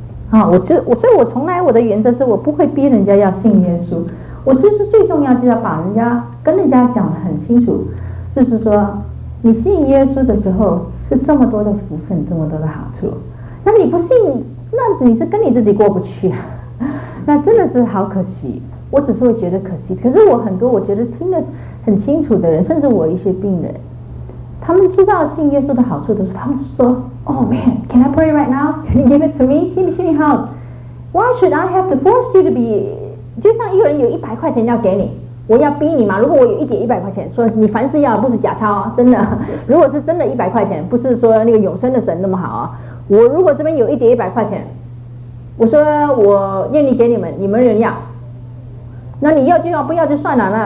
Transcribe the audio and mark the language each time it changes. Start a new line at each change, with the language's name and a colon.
Chinese: 啊，所以我从来我的原则是我不会逼人家要信耶稣，我就是最重要就要把人家跟人家讲得很清楚，就是说你信耶稣的时候是这么多的福分，这么多的好处，那你不信，那你是跟你自己过不去，那真的是好可惜。我只是会觉得可惜，可是我很多我觉得听得很清楚的人，甚至我一些病人，他们知道信耶稣的好处的时候，他们说
English: Oh man, can I pray right now? Can you give it to me?
Chinese: 信不信你好？
English: Why should I have to force you to be?
Chinese: 就像一个人有100块钱要给你，我要逼你嘛，如果我有一点100块钱，说你凡事要，不是假钞啊，真的，如果是真的100块钱，不是说那个永生的神那么好啊，我如果这边有一点100块钱，我说我愿意给你们，你们人要，那你要就要，不要就算了。